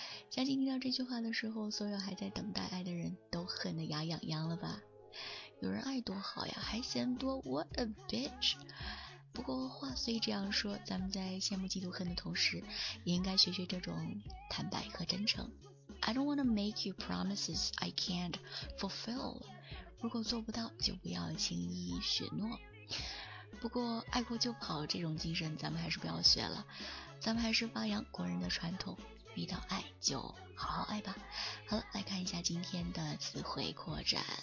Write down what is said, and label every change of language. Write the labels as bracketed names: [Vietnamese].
[Chinese] 相信听到这句话的时候，所有还在等待爱的人都恨得牙痒痒了吧。有人爱多好呀，还嫌多， [English] What a bitch。 [Chinese] 不过话虽这样说，咱们在羡慕嫉妒恨的同时，也应该学学这种坦白和真诚。 [English] I don't wanna make you promises I can't fulfill， [Chinese] 如果做不到就不要轻易许诺。不过爱过就跑这种精神咱们还是不要学了，咱们还是发扬国人的传统，遇到爱就好好爱吧。好了，来看一下今天的词汇扩展。